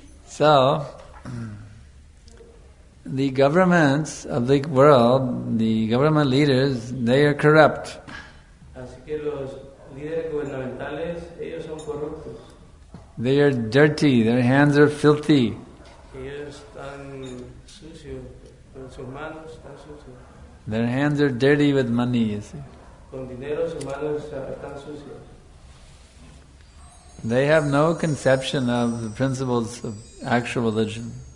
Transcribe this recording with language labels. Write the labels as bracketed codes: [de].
[en] So, the governments of the world, the government leaders, they are corrupt. [es] Así que los líderes gubernamentales, ellos son corruptos. [en] They are dirty, their hands are filthy. [es] Ellos están sucios, con sus manos están sucios. [en] Their hands are dirty with money, you see. [es] Con dinero, sus manos están sucios. [en] They have no conception of the principles of actual religion.